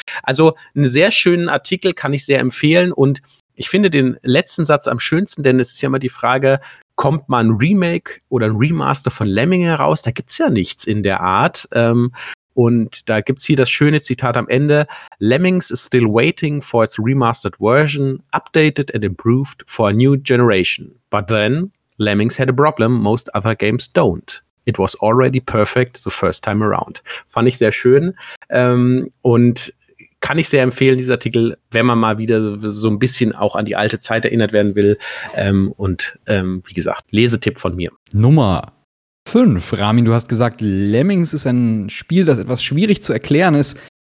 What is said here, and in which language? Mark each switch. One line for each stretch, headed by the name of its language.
German: Also einen sehr schönen Artikel, kann ich sehr empfehlen, und ich finde den letzten Satz am schönsten, denn es ist ja immer die Frage, kommt mal ein Remake oder ein Remaster von Lemminge raus? Da gibt's ja nichts in der Art. Und da gibt's hier das schöne Zitat am Ende.
English: Lemmings is still waiting for its remastered version, updated and improved for a new generation. But then, Lemmings had a problem most other games don't. It was already perfect the first time around.
German: Fand ich sehr schön. Und kann ich sehr empfehlen, dieser Artikel, wenn man mal wieder so ein bisschen auch an die alte Zeit erinnert werden will. Wie gesagt, Lesetipp von mir. Nummer 5. Ramin, du hast gesagt, Lemmings ist ein Spiel, das etwas schwierig zu erklären ist.